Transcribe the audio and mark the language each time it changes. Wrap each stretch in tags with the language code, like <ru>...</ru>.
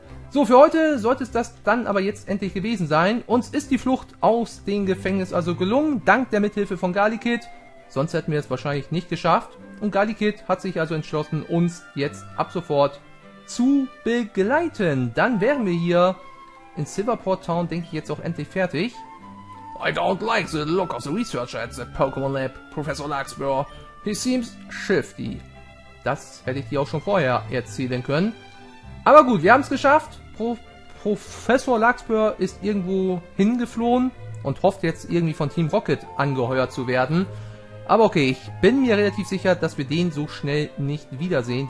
<de>So, für heute sollte es das dann aber jetzt endlich gewesen sein. Uns ist die Flucht aus dem Gefängnis also gelungen, dank der Mithilfe von Gallikit. Sonst hätten wir es wahrscheinlich nicht geschafft. Und Gallikit hat sich also entschlossen, uns jetzt ab sofort zu begleiten. Dann wären wir hier in Silverport Town, denke ich, jetzt auch endlich fertig.</de> <en>I don't like the look of the researcher at the Pokémon Lab, Professor Larkspur. He seems shifty.</en> <de>Das hätte ich dir auch schon vorher erzählen können. Aber gut, wir haben es geschafft. Professor Larkspur ist irgendwo hingeflohen und hofft jetzt irgendwie von Team Rocket angeheuert zu werden. Aber okay, ich bin mir relativ sicher, dass wir den so schnell nicht wiedersehen.</de>